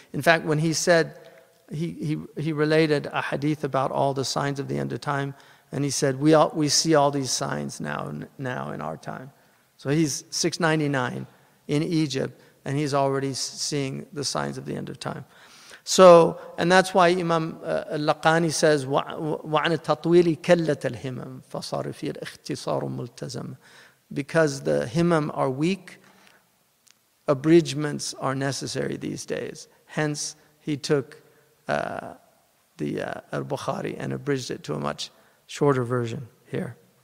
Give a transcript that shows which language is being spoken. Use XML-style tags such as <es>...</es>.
<en>In fact, when he said, he related a hadith about all the signs of the end of time, and he said, we see all these signs now in our time. So he's 699 in Egypt, and he's already seeing the signs of the end of time. So, and that's why Imam Al-Laqani says,</en> <ar>وَعَنَ التَّطْوِيلِ كَلَّتَ الْهِمَمْ فَصَارِ فِي الْإِخْتِصَارُ مُلْتَزَمْ.</ar> <en>Because the himam are weak, abridgments are necessary these days. Hence, he took the al-Bukhari and abridged it to a much shorter version here.</en>